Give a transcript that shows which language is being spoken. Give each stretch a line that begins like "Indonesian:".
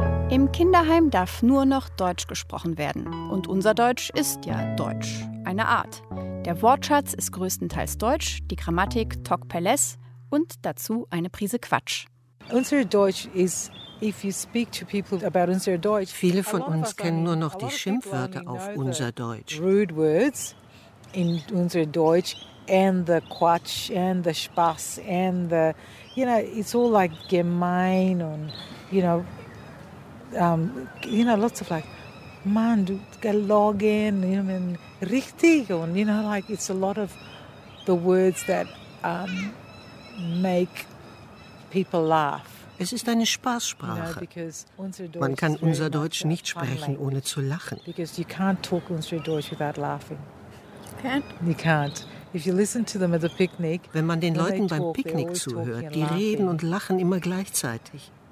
German: Im Kinderheim darf nur noch Deutsch gesprochen werden. Und unser Deutsch ist ja Deutsch. Eine Art. Der Wortschatz ist größtenteils Deutsch, die Grammatik Tok Peles und dazu eine Prise Quatsch. Unser Deutsch ist,
English: if you speak to people about unser Deutsch.
German: Viele von uns kennen nur noch die Schimpfwörter auf unser Deutsch.
English: Rude words in unser Deutsch and the Quatsch and the Spaß and the, you know, it's all like
German: gemein und,
English: you know. You know, lots of like, man,
German: du gelogen,
English: you know, and richtig, and you know, like it's a lot of the words that make people laugh.
German: Es ist eine Spaßsprache. Man kann unser Deutsch nicht sprechen, ohne zu lachen.
English: Because you can't talk unser Deutsch without laughing. Can't. You can't. If you listen to them at the picnic,
German: wenn man den Leuten beim Picknick zuhört, die reden und lachen immer gleichzeitig.